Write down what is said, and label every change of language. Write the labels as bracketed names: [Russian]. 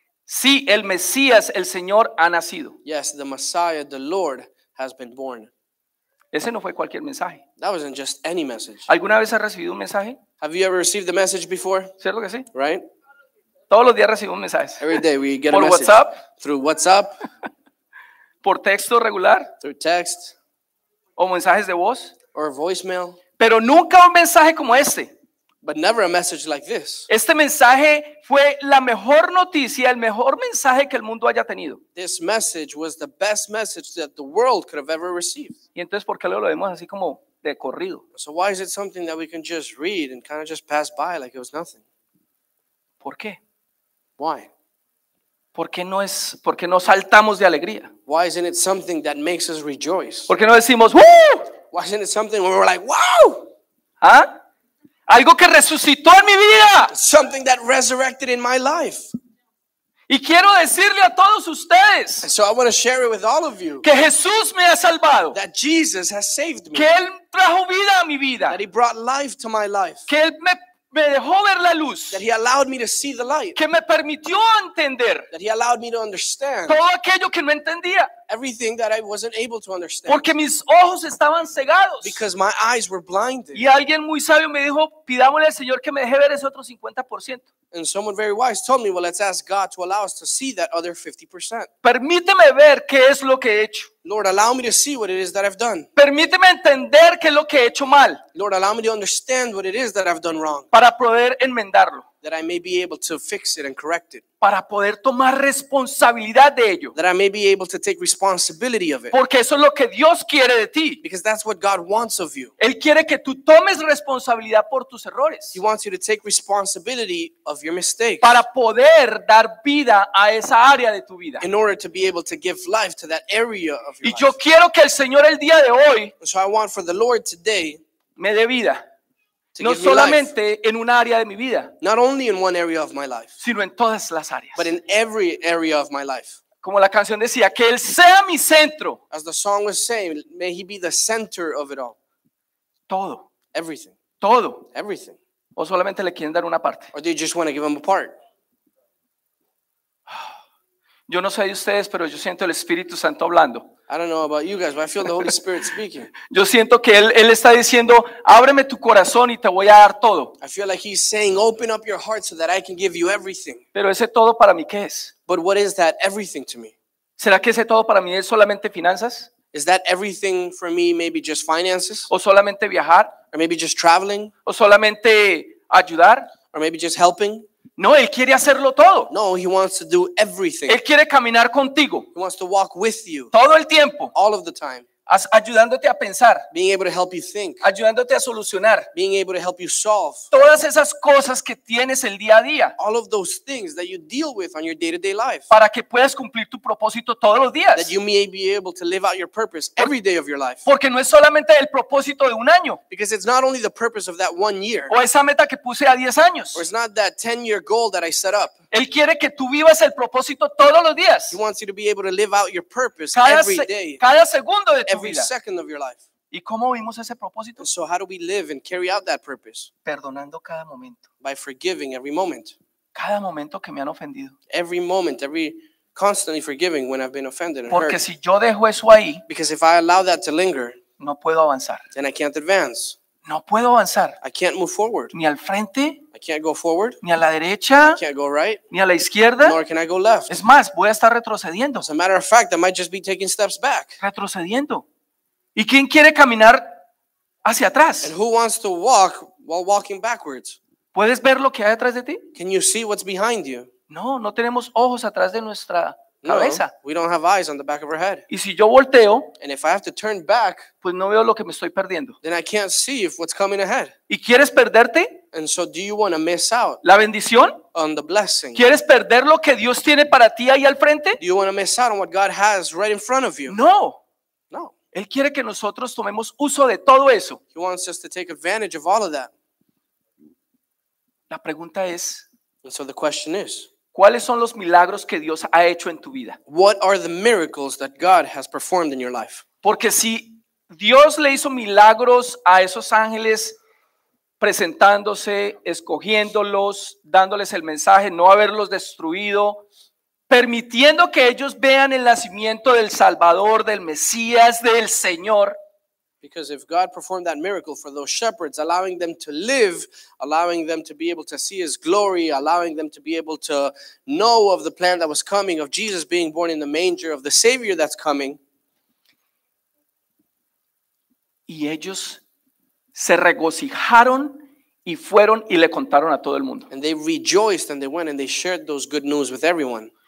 [Spanish] Sí, el Mesías, el Señor, ha nacido. [English] Yes, the Messiah, the Lord, has been born. [Spanish] Ese no fue cualquier mensaje. [English] That wasn't just any message. [Spanish] ¿Alguna vez ha recibido un mensaje? [English] Have you ever received the message before? [Spanish] ¿Cierto que sí? [English] Right? [Spanish] Todos los días recibimos mensajes. [English] Every day we get [Spanish] por [English] a message. [Spanish] WhatsApp. [English] Through WhatsApp. [Spanish] Por texto regular. [English] Through text. [Spanish] O mensajes de voz. [English] Or voicemail. [Spanish] Pero nunca un mensaje como este. [English] But never a message like this. [Spanish] Este mensaje fue la mejor noticia, el mejor mensaje que el mundo haya tenido. [English] This message was the best message that the world could have ever received. [Spanish] Y entonces, ¿por qué lo vemos así como de corrido? [English] So why is it something that we can just read and kind of just pass by like it was nothing? [Spanish] ¿Por qué? [English] Why? [Spanish] ¿Por qué no saltamos de alegría? [English] Why isn't it something that makes us rejoice? [Spanish] ¿Por qué no decimos woo? [English] Why isn't it something where we're like wow? ¿Ah? [Spanish] Algo que resucitó en mi vida. [English] Something that resurrected in my life. [Spanish] Y quiero decirle a todos ustedes. [English] And so I want to share it with all of you. [Spanish] Que Jesús me ha salvado. [English] That Jesus has saved me. [Spanish] Que él trajo vida a mi vida. [English] That he brought life to my life. [Spanish] Que él me, me dejó ver la luz. [English] That he allowed me to see the light. [Spanish] Que me permitió entender. [English] That he allowed me to understand. [Spanish] Todo aquello que no entendía. [English] Everything that I wasn't able to understand. [Spanish] Porque mis ojos estaban cegados. [English] Because my eyes were blinded. [Spanish] Y alguien muy sabio me dijo, pidámosle al Señor que me deje ver ese otro 50%. [English] And someone very wise told me, well, let's ask God to allow us to see that other 50%. [Spanish] Permíteme ver qué es lo que he hecho. [English] Lord, allow me to see what it is that I've done. [Spanish] Permíteme entender qué es lo que he hecho mal. [English] Lord, allow me to understand what it is that I've done wrong. [Spanish] Para poder enmendarlo. [English] That I may be able to fix it and correct it. [Spanish] Para poder tomar responsabilidad de ello. [English] That I may be able to take responsibility of it. [Spanish] Porque eso es lo que Dios quiere de ti. [English] Because that's what God wants of you. [Spanish] Él quiere que tú tomes responsabilidad por tus errores. [English] He wants you to take responsibility of your mistakes. [Spanish] Para poder dar vida a esa área de tu vida. [English] In order to be able to give life to that area of your [Spanish] life. Y yo quiero que el Señor el día de hoy. [English] And so I want for the Lord today. [Spanish] Me dé vida. No solamente en un área de mi vida, [English] not only in one area of my life, [Spanish] sino en todas las áreas, [English] but in every area of my life. [Spanish] Como la canción decía, que él sea mi centro. [English] As the song was saying, may he be the center of it all. [Spanish] Todo. [English] Everything. [Spanish] Todo. [English] Everything. [Spanish] O solamente le quieren dar una parte. [English] Or do you just want to give him a part? [Spanish] Yo no sé de ustedes, pero yo siento el Espíritu Santo hablando. [English] I don't know about you guys, but I feel the Holy Spirit speaking. [Spanish] Yo siento que él está diciendo, ábreme tu corazón y te voy a dar todo. [English] I feel like he's saying, open up your heart so that I can give you everything. [Spanish] Pero ese todo para mí, ¿qué es? [English] But what is that everything to me? [Spanish] ¿Será que ese todo para mí es solamente finanzas? [English] Is that everything for me maybe just finances? [Spanish] ¿O solamente viajar? [English] Or maybe just traveling? [Spanish] ¿O solamente ayudar? [English] Or maybe just helping? [Spanish] No, él quiere hacerlo todo. [English] No, he wants to do everything. [Spanish] Él quiere caminar contigo. [English] He wants to walk with you. [Spanish] Todo el tiempo. [English] All of the time. [Spanish] Ayudándote a pensar. [English] Being able to help you think. [Spanish] Ayudándote a solucionar. [English] Being able to help you solve. [Spanish] Todas esas cosas que tienes el día a día. [English] All of those things that you deal with on your day-to-day life. [Spanish] Para que puedas cumplir tu propósito todos los días. [English] That you may be able to live out your purpose every day of your life. [Spanish] Porque no es solamente el propósito de un año. [English] Because it's not only the purpose of that one year. [Spanish] O esa meta que puse a 10 años. [English] Or it's not that 10-year goal that I set up. [Spanish] Él quiere que tú vivas el propósito todos los días. [English] He wants you to be able to live out your purpose every day. [Spanish] Cada segundo de tu vida. [English] Every second of your life. [Spanish] ¿Y cómo vivimos ese propósito? [English] And so how do we live and carry out that purpose? [Spanish] Perdonando cada momento. [English] By forgiving every moment. [Spanish] Cada momento que me han ofendido. [English] Every moment, every constantly forgiving when I've been offended and [Spanish] Porque [English] hurt. [Spanish] Si yo dejo eso ahí, [English] because if I allow that to linger, [Spanish] no puedo avanzar. [English] Then I can't advance. [Spanish] No puedo avanzar. [English] I can't move forward. [Spanish] Ni al frente. [English] I can't go forward. [Spanish] Ni a la derecha. [English] I can't go right. [Spanish] Ni a la izquierda. [English] Nor can I go left. [Spanish] Es más, voy a estar retrocediendo. [English] As a matter of fact, I might just be taking steps back. [Spanish] Retrocediendo. ¿Y quién quiere caminar hacia atrás? [English] And who wants to walk while walking backwards? [Spanish] ¿Puedes ver lo que hay atrás de ti? [English] Can you see what's behind you? [Spanish] No, no tenemos ojos atrás de nuestra cabeza. [English] No, we don't have eyes on the back of our head. [Spanish] Y si yo volteo, [English] and if I have to turn back, [Spanish] pues no veo lo que me estoy perdiendo. [English] Then I can't see if what's coming ahead. [Spanish] ¿Y quieres perderte? [English] And so do you want to miss out? [Spanish] ¿La bendición? [English] On the blessing. [Spanish] ¿Quieres perder lo que Dios tiene para ti ahí al frente? [English] Do you want to miss out on what God has right in front of you? [Spanish] No. [English] No. [Spanish] Él quiere que nosotros tomemos uso de todo eso. [English] He wants us to take advantage of all of that. [Spanish] La pregunta es, [English] and so the question is, [Spanish] ¿cuáles son los milagros que Dios ha hecho en tu vida? [English] What are the miracles that God has performed in your life? [Spanish] Porque si Dios le hizo milagros a esos ángeles presentándose, escogiéndolos, dándoles el mensaje, no haberlos destruido, permitiendo que ellos vean el nacimiento del Salvador, del Mesías, del Señor. [English] Because if God performed that miracle for those shepherds, allowing them to live, allowing them to be able to see his glory, allowing them to be able to know of the plan that was coming, of Jesus being born in the manger, of the Savior that's coming. [Spanish] Y ellos se regocijaron y fueron y le contaron a todo el mundo. [English] And they rejoiced and they went and they shared those good news with everyone.